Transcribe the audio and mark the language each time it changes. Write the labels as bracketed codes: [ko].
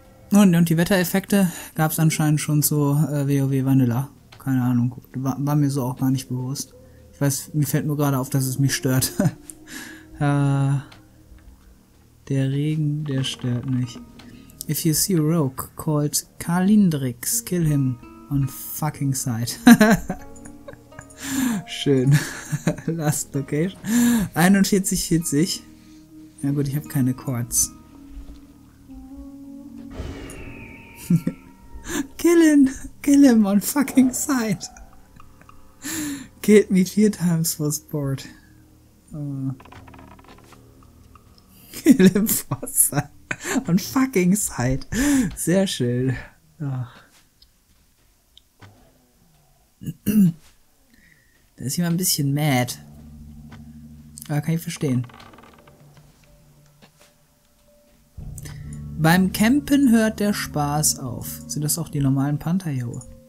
[de] Und die Wettereffekte gab es anscheinend schon zu WoW Vanilla. Keine Ahnung, war mir so auch gar nicht bewusst. Ich weiß, mir fällt nur gerade auf, dass es mich stört. der Regen, der stört mich. [en] If you see a rogue called Kalindrix, kill him on fucking sight. [de] Schön. [en] Last location. 41,40. [de] Ja gut, ich habe keine Quads. [en] Kill him on fucking sight. Killed me 4 times for sport. Kill him for sight. On fucking sight. [de] Sehr schön. Ach. Da ist jemand ein bisschen mad. Aber kann ich verstehen. Beim Campen hört der Spaß auf. Sind das auch die normalen Panther hier?